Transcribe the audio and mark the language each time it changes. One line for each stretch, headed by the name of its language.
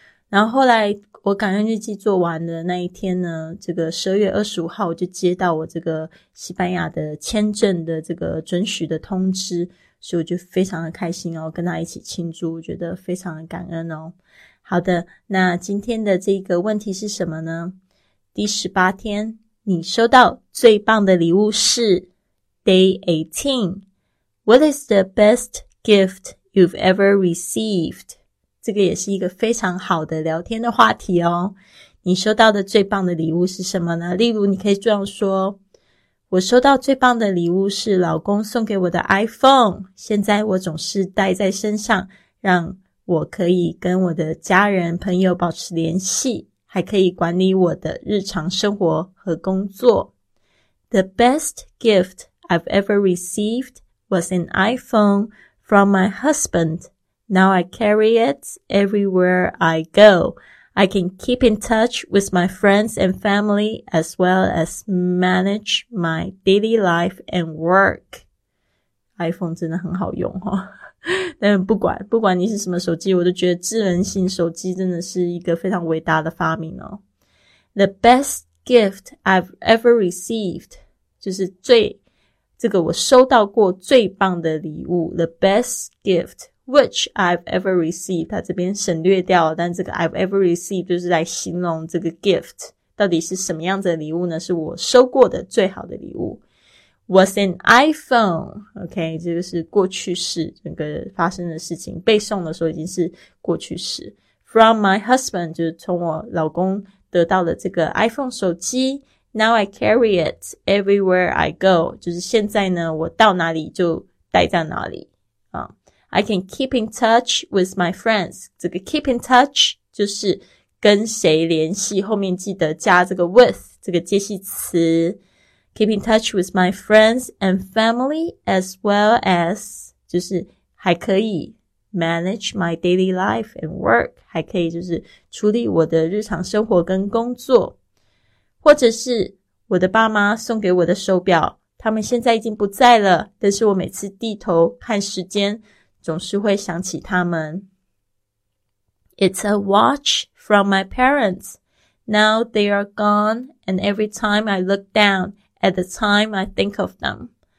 Chinese: 然后后来我感恩日记做完的那一天呢，这个12月25号我就接到我这个西班牙的签证的这个准许的通知，所以我就非常的开心哦，跟他一起庆祝，我觉得非常的感恩哦。好的，那今天的这个问题是什么呢？第18天你收到最棒的礼物是
English: Day 18， What is the best gift you've ever received?
Chinese: 这个也是一个非常好的聊天的话题哦。你收到的最棒的礼物是什么呢？例如你可以这样说，我收到最棒的礼物是老公送给我的 iPhone， 现在我总是带在身上，让我可以跟我的家人朋友保持联系，还可以管理我的日常生活和工作。
English: The best gift I've ever received was an iPhone from my husband. Now I carry it everywhere I go. I can keep in touch with my friends and family as well as manage my daily life and work.
Chinese: iPhone 真的很好用哦。但不管你是什么手机，我都觉得智能型手机真的是一个非常伟大的发明哦。
English: The best gift I've ever received,
Chinese: 就是最这个我收到过最棒的礼物，
English: The best gift which I've ever received，
Chinese: 它这边省略掉了，但这个
English: I've ever received
Chinese: 就是来形容这个 gift 到底是什么样子的礼物呢，是我收过的最好的礼物。
English: Was an iPhone，
Chinese: OK， 这个是过去式，整个发生的事情背诵的时候已经是过去式。
English: From my husband，
Chinese: 就是从我老公得到了这个 iPhone 手机。
English: Now I carry it everywhere I go.
Chinese: 就是现在呢，我到哪里就带在哪里。
English: I can keep in touch with my friends.
Chinese: 这个
English: keep in touch
Chinese: 就是跟谁联系，后面记得加这个 with 这个介系词。
English: Keep in touch with my friends and family as well as
Chinese: 就是还可以
English: manage my daily life and work，
Chinese: 还可以就是处理我的日常生活跟工作。或者是我的爸妈送给我的手表，他们现在已经不在了，但是我每次低头看时间总是会想起他们。
English: It's a watch from my parents. Now they are gone, and every time I look down at the time I think of them.